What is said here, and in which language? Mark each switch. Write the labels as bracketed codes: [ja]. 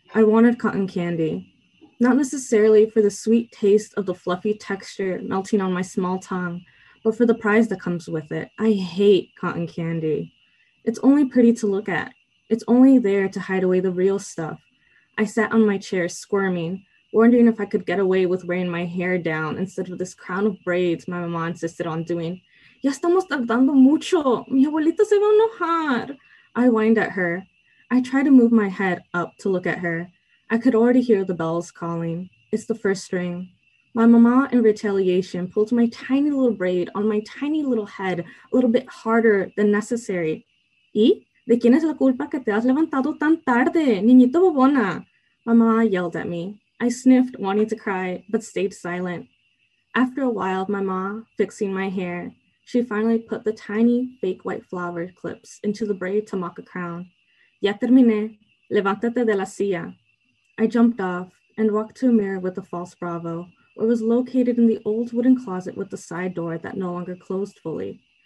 [en] I wanted cotton candy. Not necessarily for the sweet taste of the fluffy texture melting on my small tongue, but for the prize that comes with it. I hate cotton candy. It's only pretty to look at. It's only there to hide away the real stuff. I sat on my chair squirming, wondering if I could get away with wearing my hair down instead of this crown of braids my mama insisted on doing. [es] Ya estamos tardando mucho. Mi abuelita se va a enojar. [en] I whined at her. I tried to move my head up to look at her. I could already hear the bells calling. It's the first ring. My mama, in retaliation, pulled my tiny little braid on my tiny little head a little bit harder than necessary. [es] ¿Y? ¿De quién es la culpa que te has levantado tan tarde, niñita bobona? [en] My mama yelled at me. I sniffed, wanting to cry, but stayed silent. After a while, my mama, fixing my hair, she finally put the tiny fake white flower clips into the braid to mock a crown. [es] Ya terminé. Levántate de la silla. [en] I jumped off and walked to a mirror with a false bravo, where it was located in the old wooden closet with the side door that no longer closed fully.